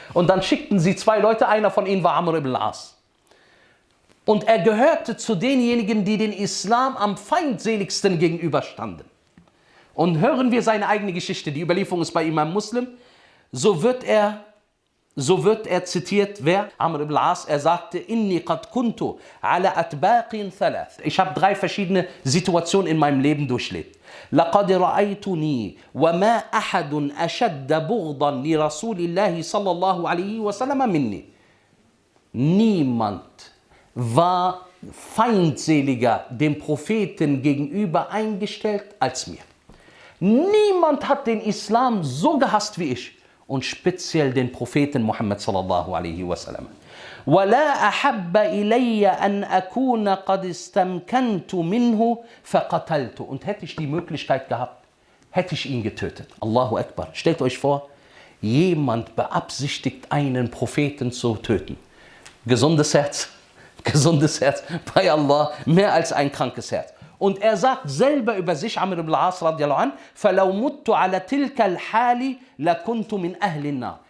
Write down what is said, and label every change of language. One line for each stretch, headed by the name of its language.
German: Und dann schickten sie zwei Leute, einer von ihnen war Amr ibn al-As. Und er gehörte zu denjenigen, die den Islam am feindseligsten gegenüberstanden. Und hören wir seine eigene Geschichte, die Überlieferung ist bei Imam Muslim, so wird er zitiert, wer?
Arabic: Amr ibn al-As,
German: er sagte,
Arabic: Inni qad kuntu ala atbaqin thalath.
German: Ich habe drei verschiedene Situationen in meinem Leben durchlebt.
Arabic: لقد رأيتني وما أحد أشد بغضا لرسول الله صلى الله عليه وسلم مني.
German: Niemand war feindseliger dem Propheten gegenüber eingestellt als mir. Niemand hat den Islam so gehasst wie ich und speziell den Propheten Muhammad
Arabic: صلى الله عليه وسلم. ولا أحب إلي أن أكون قد استمكنت منه فقتلت.
German: Und hätte ich die Möglichkeit gehabt, hätte ich ihn getötet. Allahu Akbar. Stellt euch vor, jemand beabsichtigt, einen Propheten zu töten. Gesundes Herz, gesundes Herz. Bei Allah mehr als ein krankes Herz. Und er sagt selber über sich,
Arabic: Amr ibn al-As radiallahu an, فَلَوْ مُتُّ عَلَى تِلْكَ الْحَالِ لَكُنْتُ مِنْ أَهْلِ النَّارِ.